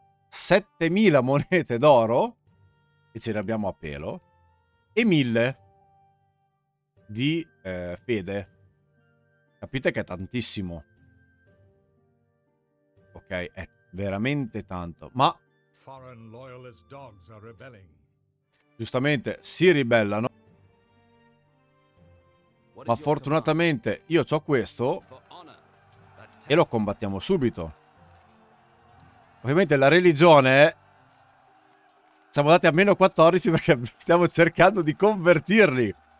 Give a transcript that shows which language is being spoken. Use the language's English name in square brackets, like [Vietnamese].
[Italian] 7000 monete d'oro, e ce le abbiamo a pelo, e 1000 di fede. Capite che è tantissimo. Ok, è veramente tanto. [English] Ma foreign loyalist dogs are rebelling. [Italian] Giustamente si ribellano. Ma fortunatamente io c'ho questo e lo combattiamo subito. Ovviamente la religione siamo andati a meno 14 perché stiamo cercando di convertirli.